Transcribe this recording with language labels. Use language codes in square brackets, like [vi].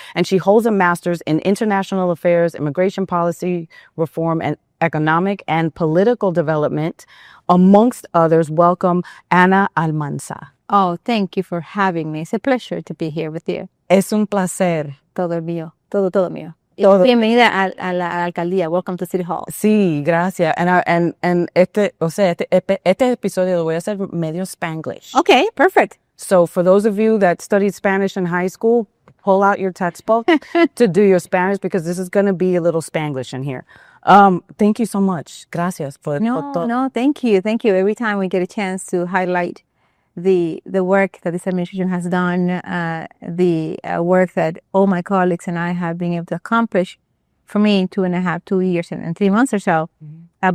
[en] And she holds a master's in international affairs, immigration policy reform, and economic and political development, amongst others. Welcome, Ana Almanza. Oh, thank you for having me. It's a pleasure to be here with you. [es] Es un placer. Todo mío. Todo mío. Todo. Bienvenida a la alcaldía. [en] Welcome to City Hall. [es] Sí, gracias. And este episodio lo voy a hacer medio Spanglish. [en] Okay, perfect. So for those of you that studied Spanish in high school, pull out your textbook to do your Spanish, because this is going to be a little Spanglish in here. Thank you so much. [es] Gracias. [en] Thank you. Thank you. Every time we get a chance to highlight the work that this administration has done, work that all my colleagues and I have been able to accomplish for me in 2.5, 2 years and 3 months or so, mm-hmm.